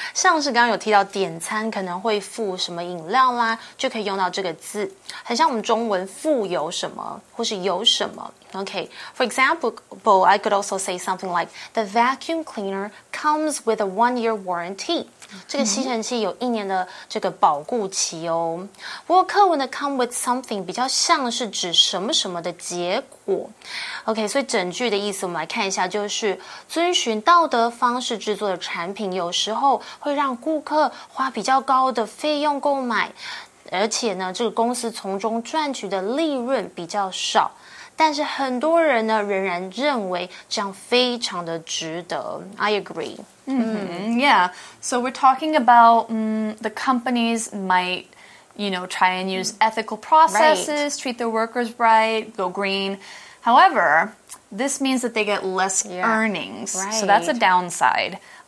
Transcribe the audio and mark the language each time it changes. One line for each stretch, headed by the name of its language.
Chinese: 像是刚刚有提到点餐可能会附什么饮料啦，就可以用到这个字，很像我们中文附有什么或是有什么。
English: Okay, for example, I could also say something like the vacuum cleaner comes with a 1-year warranty.
Chinese: 这个吸尘器有一年的这个保固期哦。不过课文的 come with something 比较像是指什么什么的结果。 OK, 所以整句的意思我们来看一下，就是遵循道德方式制作的产品有时候会让顾客花比较高的费用购买，而且呢这个公司从中赚取的利润比较少。但是很多人呢仍然认为这样非常的值得。
English: I agree. Yeah, so we're talking about the companies might, you know, try and use ethical processes, treat their workers right, go green. However, this means that they get less earnings. Right. So that's a downside.